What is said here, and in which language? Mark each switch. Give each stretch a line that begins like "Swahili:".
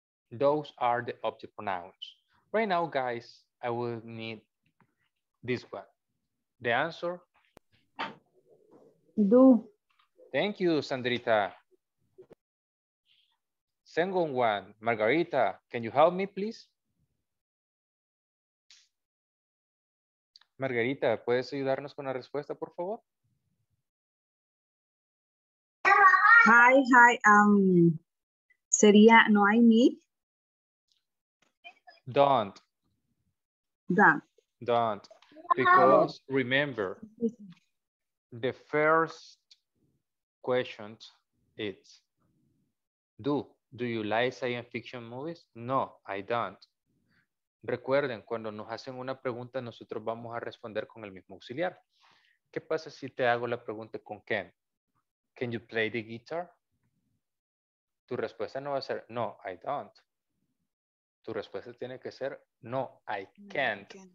English: Those are the object pronouns. Right now, guys, I will need this one. The answer? Do. Thank you, Sandrita. Second one, Margarita, can you help me, please?
Spanish: Margarita, ¿puedes ayudarnos con la respuesta, por favor? Hi, hi. Sería, no hay me.
English: Don't. Don't. Don't. Because remember, the first question is, do you like science fiction movies? No, I don't.
Spanish: Recuerden, cuando nos hacen una pregunta, nosotros vamos a responder con el mismo auxiliar. ¿Qué pasa si te hago la pregunta con Ken?
English: Can you play the guitar?
Spanish: Tu respuesta no va a ser,
English: no, I don't.
Spanish: Tu respuesta tiene que ser,
English: no, I can't.